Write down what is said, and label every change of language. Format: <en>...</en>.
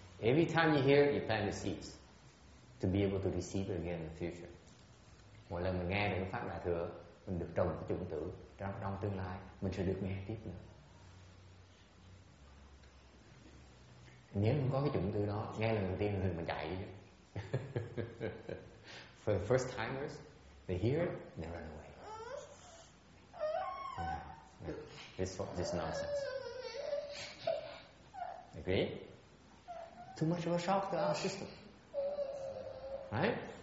<en>Every time you hear, you plant the seeds to be able to receive it again in the future.</en> <vi>Mỗi lần mình nghe được pháp đại thừa, mình được trồng cái chủng tử trong tương lai, mình sẽ được nghe tiếp nữa. Nếu không có cái chủng tử đó, nghe lần đầu tiên thì mình chạy.</vi> <en>For the first timers, they hear it, they run away. This nonsense. Agree? Too much of a shock to our system. Right?</en>